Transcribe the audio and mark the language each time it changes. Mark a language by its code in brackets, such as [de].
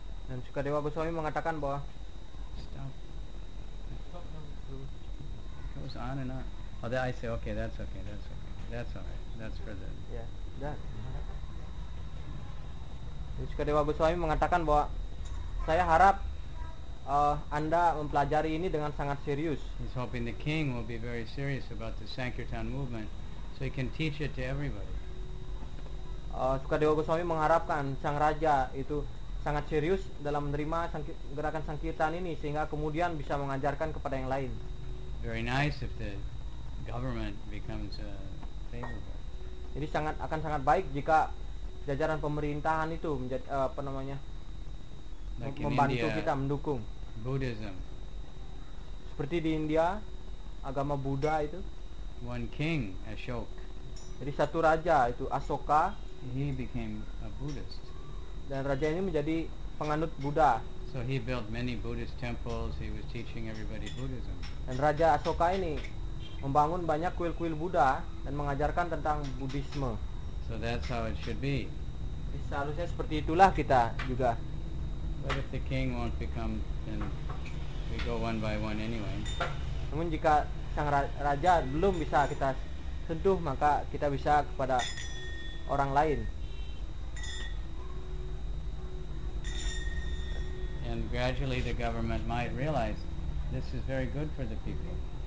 [id] Dan Sukadeva Goswami mengatakan bahwa [en] stop. It goes on and on. Oh, I say, okay, that's okay. That's all right. That's for the yeah. Done. [id] Sukadeva Goswami mengatakan bahwa saya harap Anda mempelajari ini dengan sangat serius. [en] He's hoping the king will be very serious about the Sankirtan movement so he can teach it to everybody. [id] Sukadeva Goswami mengharapkan sang raja itu sangat serius dalam menerima gerakan Sankirtan ini sehingga kemudian bisa mengajarkan kepada yang lain. [en] Very nice if the government becomes favorable. [id] Jadi sangat akan sangat baik jika jajaran pemerintahan itu menjadi apa namanya [en] like [id] membantu [en] India, [id] kita mendukung [en] Buddhism. [id] Seperti di India agama Buddha itu. [en] One king Ashoka. [id] Jadi satu raja itu Ashoka. [en] He became a Buddhist. [id] Dan raja ini menjadi penganut Buddha. [en] So he built many Buddhist temples. He was teaching everybody Buddhism. [id] Dan raja Ashoka ini membangun banyak kuil-kuil Buddha dan mengajarkan tentang Buddhisme. [en] So that's how it should be. [id] Seharusnya seperti itulah kita juga. [en] But if the king won't become, then we go one by one anyway. [id] Namun jika sang raja belum bisa kita sentuh, maka kita bisa kepada orang lain. [en] And gradually the government might realize this is very good for the people.